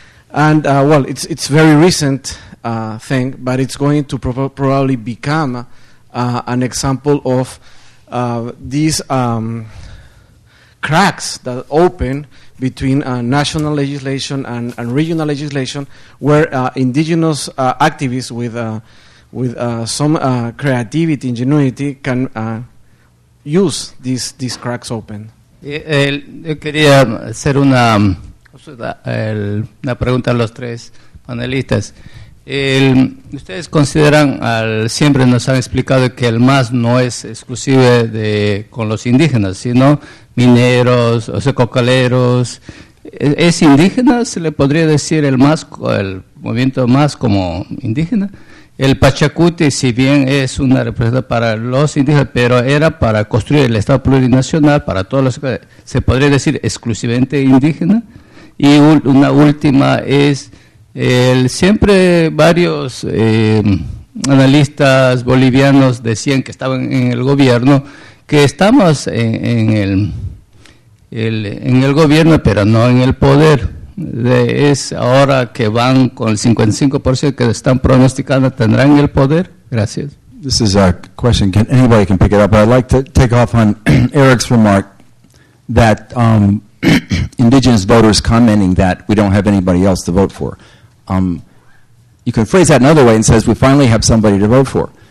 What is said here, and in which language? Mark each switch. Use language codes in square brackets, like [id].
[en] And, well, it's very recent thing, but it's going to probably become an example of these cracks that open between national legislation and regional legislation, where indigenous activists with some creativity, ingenuity, can use these cracks open. [es] Yo quería hacer una pregunta a los tres panelistas. Ustedes consideran, siempre nos han explicado que el MAS no es exclusivo de con los indígenas, sino mineros, o sea, cocaleros. ¿Es indígena? ¿Se le podría decir el MAS, el movimiento MAS, como indígena? El Pachacuti, si bien es una representación para los indígenas, pero era para construir el Estado plurinacional para todos los... ¿Se podría decir exclusivamente indígena? Y una última es... siempre varios analistas bolivianos decían que estaban en el gobierno, que estamos en el gobierno, pero no en el poder. Es ahora que van con el 55% que están pronosticando, ¿tendrán el poder? Gracias. [en] This is a question. Anybody can pick it up. But I'd like to take off on Eric's remark that indigenous voters commenting that we don't have anybody else to vote for. You can phrase that another way and says we finally have somebody to vote for.